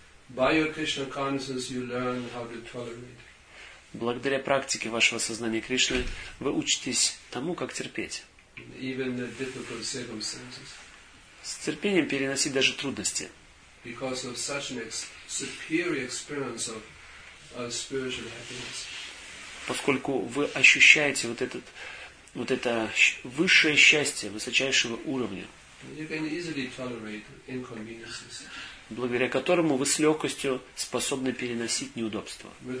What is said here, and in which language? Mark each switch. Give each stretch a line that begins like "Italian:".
English: By your Krishna consciousness, you learn how to tolerate.
Russian: Благодаря практике вашего сознания Кришны вы учитесь тому, как терпеть.
English: Even the difficult circumstances.
Russian: С терпением переносить даже трудности.
English: Because of such an superior experience of spiritual happiness.
Russian: Поскольку вы ощущаете вот это высшее счастье высочайшего уровня.
English: You can easily tolerate inconveniences.
Russian: Благодаря которому вы с легкостью способны переносить неудобства.